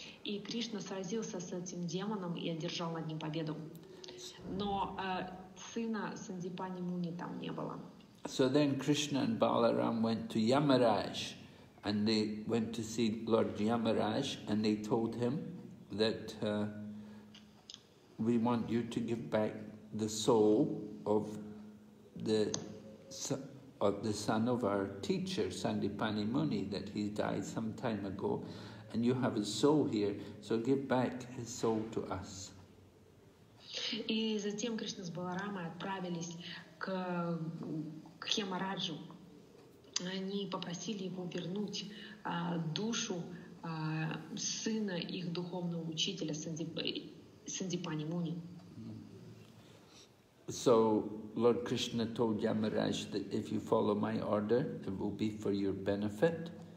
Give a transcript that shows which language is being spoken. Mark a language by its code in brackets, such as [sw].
[ru] И Кришна сразился с этим демоном и одержал над ним победу. Но сына Сандипани Муни там не было. [en] So then Krishna and Balaram went to Yamaraj. And they went to see Lord Yamaraj, and they told him that we want you to give back the soul of the son of our teacher, Sandipani Muni, that he died some time ago. and you have a soul here, so give back his soul to us. [ru] И затем Кришна с Баларамой отправились к Хемараджу. Они попросили его вернуть душу сына их духовного учителя Сандипани Муни. [en] So Lord Krishna told Yamaraj that if you follow my order, it will be for your benefit.